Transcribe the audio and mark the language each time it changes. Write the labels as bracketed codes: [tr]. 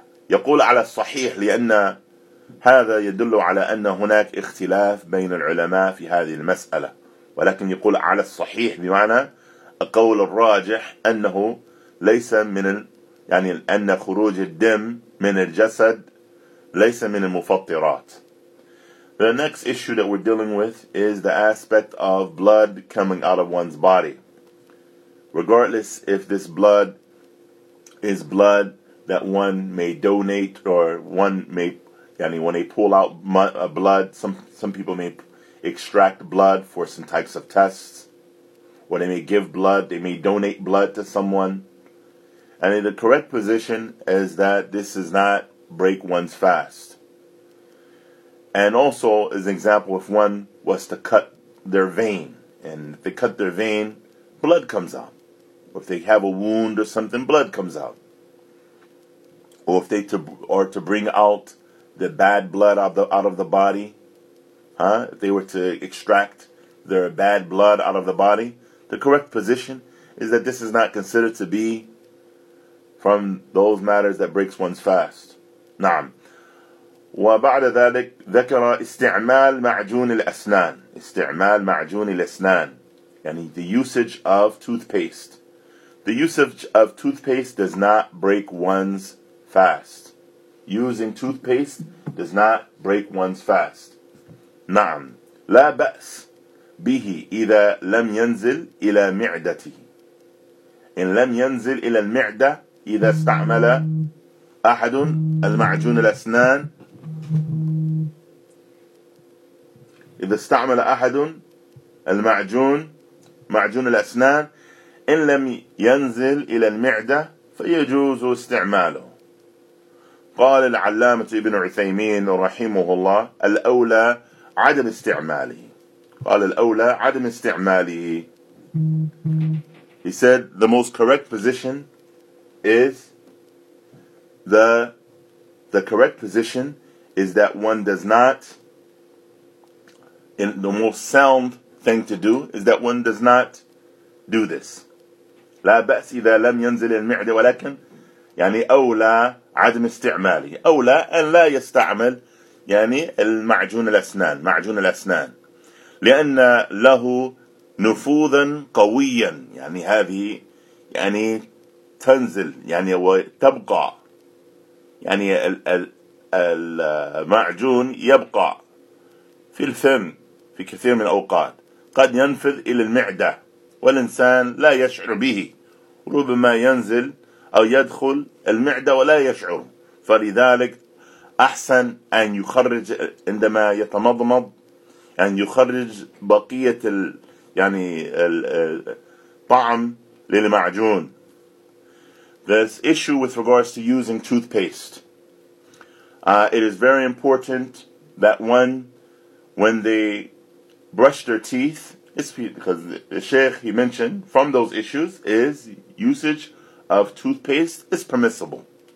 [ar] يقول على الصحيح لأن هذا يدل على أن هناك اختلاف بين العلماء في هذه المسألة ولكن يقول على الصحيح بمعنى القول الراجح أنه ليس من يعني أن خروج الدم من الجسد ليس من المفطرات. [en] The next issue that we're dealing with is the aspect of blood coming out of one's body. Regardless if this blood is blood that one may donate or one may yani when they pull out blood, some people may extract blood for some types of tests. Or they may give blood, they may donate blood to someone. And the correct position is that this does not break one's fast. And also, as an example, if one was to cut their vein, and if they cut their vein, blood comes out. Or if they have a wound or something, blood comes out. Or if they to bring out the bad blood out of the body, huh? If they were to extract their bad blood out of the body, the correct position is that this is not considered to be from those matters that breaks one's fast. [ar] نعم. وبعد ذلك ذكر استعمال معجون الأسنان. استعمال معجون الأسنان. [en] يعني the usage of toothpaste. The usage of toothpaste does not break one's fast. Using toothpaste does not break one's fast. [ar] نعم. لا بأس به إذا لم ينزل إلى معدتي. إن لم ينزل إلى المعدة إذا استعمل أحد المعجون الأسنان إذا استعمل أحد المعجون معجون الأسنان إن لم ينزل إلى المعدة فيجوز استعماله. قال العلامة ابن عثيمين رحمه الله الأولى عدم استعماله. قال الأولى عدم استعماله. [en] He said the most correct position is the correct position is that one does not, and the most sound thing to do is that one does not do this. [ar] لا بأس إذا لم ينزل المعدة ولكن يعني أولى عدم استعماله أولى أن لا يستعمل يعني المعجون الأسنان معجون الأسنان لأن له نفوذا قويا يعني هذه يعني تنزل يعني وتبقى يعني المعجون يبقى في الفم في كثير من الأوقات قد ينفذ إلى المعدة والإنسان لا يشعر به ربما ينزل أو يدخل المعدة ولا يشعر فلذلك أحسن أن يخرج عندما يتمضمض أن يخرج بقية يعني الطعم للمعجون. [en] This issue with regards to using toothpaste. It is very important that one, when they brush their teeth, it's because the Sheikh he mentioned from those issues is usage of toothpaste is permissible.